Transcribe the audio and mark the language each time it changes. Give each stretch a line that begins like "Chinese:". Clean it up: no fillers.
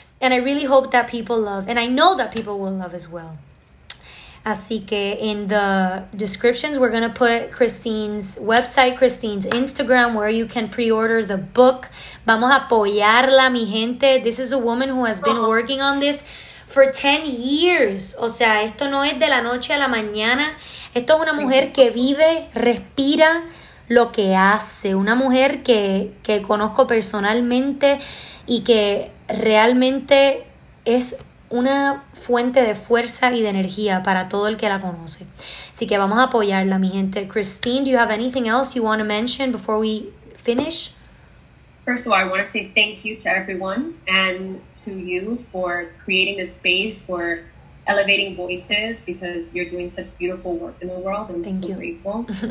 English: And I really hope that people love, and I know that people will love as well.
Spanish: Así que
English: in the descriptions, we're going to put Christine's website, Christine's Instagram, where you can pre-order the book.
Spanish: Vamos a apoyarla, mi gente.
English: This is a woman who has been working on this for 10 years.
Spanish: O sea, esto no es de la noche a la mañana. Esto es una mujer que vive, respira lo que hace. Una mujer que conozco personalmente y que realmente es una fuente de fuerza y de energía para todo el que la conoce. Así que vamos a apoyarla, mi gente.
English: Christine, do you have anything else you want to mention before we finish? First of all, I want to say thank you to everyone and to you for creating the space for elevating voices, because you're doing such beautiful work in the world. And I'm so grateful.